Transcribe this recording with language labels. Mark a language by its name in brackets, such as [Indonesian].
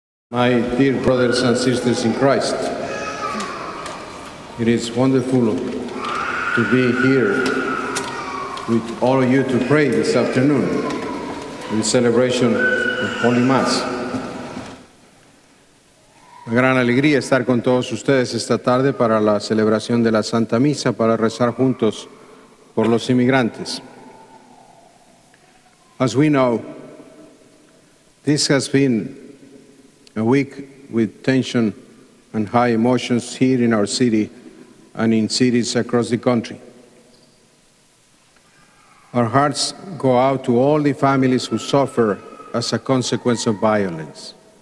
[English] My dear brothers and sisters in Christ, it is wonderful to be here with all of you to pray this afternoon in celebration of Holy Mass. [Spanish] Una gran alegría estar con todos ustedes esta tarde para la celebración de la Santa Misa, para rezar juntos por los inmigrantes. [English] As we know, this has been a week with tension and high emotions here in our city and in cities across the country. Our hearts go out to all the families who suffer as a consequence of violence.